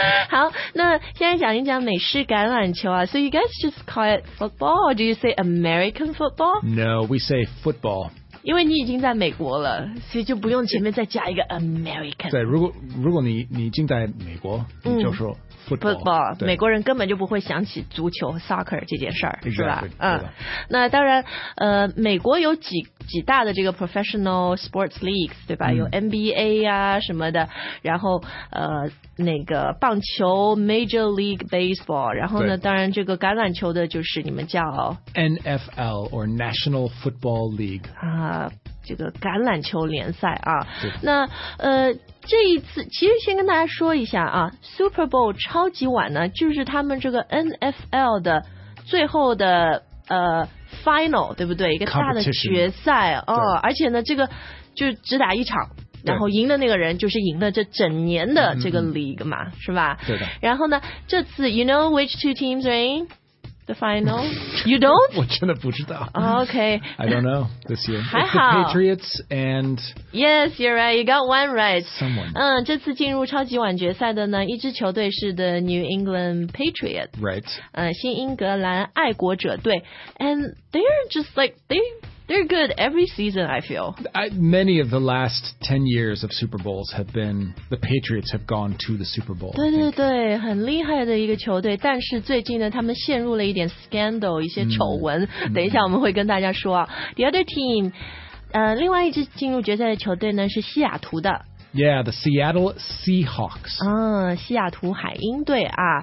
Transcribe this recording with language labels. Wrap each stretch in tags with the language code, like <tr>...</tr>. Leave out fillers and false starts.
<zh>好，那现在讲一讲美式橄榄球啊。</zh> <en>So you guys just call it football, or do you say American football? No, we say football.</en> <zh>因为你已经在美国了，所以就不用前面再加一个 American。对，如果你已经在美国，你就说。 Football， 美国人根本就不会想起足球 soccer 这件事儿，</zh> <en>exactly，</en> <zh>是吧？嗯，那当然，美国有几大的这个 professional sports leagues，对吧？有 NBA 啊什么的，然后那个棒球 Major League Baseball， 然后呢，当然这个橄榄球的就是你们叫</zh> <en>NFL or National Football League</en> <zh>啊。这个橄榄球联赛啊，对，那这一次其实先跟大家说一下啊 ，Super Bowl 超级碗呢，就是他们这个 NFL 的最后的final， 对不对？一个大的决赛哦，而且呢，这个就只打一场，然后赢的那个人就是赢了这整年的这个 league 嘛，是吧？对的。</zh> <en>然后呢，这次 You know which two teams are in？ The final? You don't?</en> <zh>我真的不知道。</zh> <en>Okay. I don't know this year.</en> <zh>还好。</zh> <en>The Patriots and... Yes, you're right. You got one right. Someone.</en> <zh>这次进入超级碗决赛的呢，一支球队是 the New England Patriots.</zh> <en>Right.</en> <zh>新英格兰爱国者队。</zh> <en>And they're just like, they're good every season, I feel. Many of the last 10 years of Super Bowls have been, the Patriots have gone to the Super Bowl.</en> <zh>对对对，很厉害的一个球队，但是最近呢，他们陷入了一点 scandal, 一些丑闻，等一下我们会跟大家说啊。 The other team, 另外一支进入决赛的球队呢，是西雅图的。</zh> <en>Yeah, the Seattle Seahawks.</en> <zh>西雅图海鹰队啊，</zh>